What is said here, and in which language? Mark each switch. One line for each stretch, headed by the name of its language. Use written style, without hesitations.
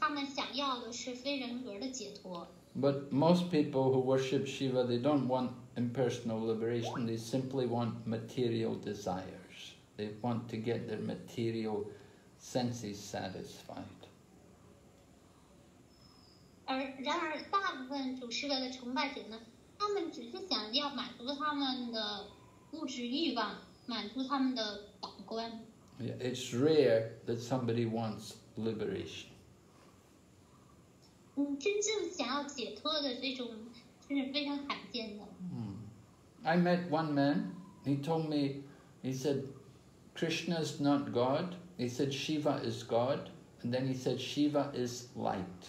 Chinese: 是的，一般有就是崇拜主Shiva的人，他们想要的是非人格的解脱。
English: But most people who worship Shiva, they don't want impersonal liberation. They simply want material desires. They want to get their material senses satisfied.
Chinese: 然而大部分主持的崇拜者呢，他们只是想要满足他们的物质欲望，满足他们的感官。It's
English: rare that somebody wants liberation.
Chinese: 真正想要解脱的这种，是非常罕见的。I
English: met one man, he told me, he said, Krishna is not God, he said Shiva is God, and then he said Shiva is light.